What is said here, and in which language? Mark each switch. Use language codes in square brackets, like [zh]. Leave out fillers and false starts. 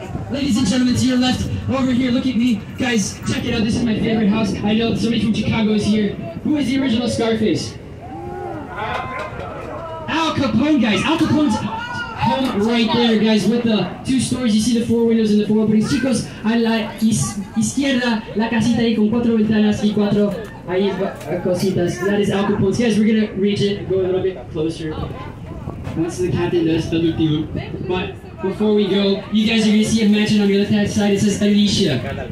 [en] Ladies and gentlemen, to your left, over here, look at me. Guys, check it out, this is my favorite house. I know somebody from Chicago is here. Who is the original Scarface? Al Capone, guys. Al Capone's home right there, guys, with the two stories. You see the four windows and the four openings. [es] Chicos, a la izquierda, la casita ahí con cuatro ventanas y cuatro ahí cositas. [en] That is Al Capone's. Guys, we're gonna reach it, go a little bit closer. Once the captain does the último. But before we go, you guys are going to see a mansion on the left-hand side. It says Alicia.